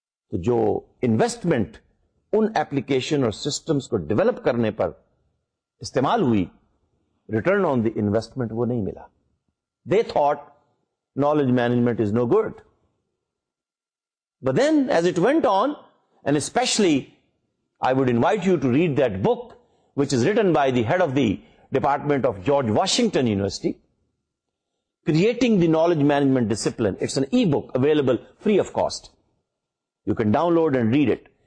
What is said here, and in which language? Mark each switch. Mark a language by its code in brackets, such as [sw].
[ur] تو جو investment in application اور سسٹمس کو ڈیولپ کرنے پر استعمال ہوئی, ریٹرن آن دی انویسٹمنٹ وہ نہیں ملا. [en] They thought knowledge management is no good. But then, as it went on, and especially, I would invite you to read that book, which is written by the head of the Department of George Washington University, Creating the Knowledge Management Discipline. It's an e-book available free of cost. You can download and read it.